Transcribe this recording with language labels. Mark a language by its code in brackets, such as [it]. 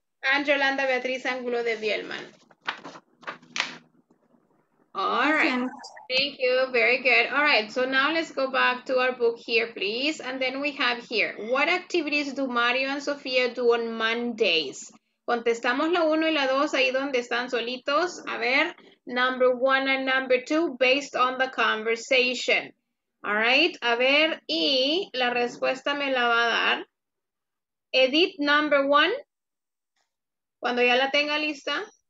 [es] Angelanda Beatriz Angulo de Bielman. [en] All right. Present. Thank you. Very good. All right. So now let's go back to our book here, please. And then we have here, what activities do Mario and Sofía do on Mondays? [es] Contestamos la 1 y la 2 ahí donde están solitos. A ver, [en] number 1 and number 2 based on the conversation. All right. [es] A ver, y la respuesta me la va a dar Edith, [en] number 1, [es] cuando ya la tenga lista.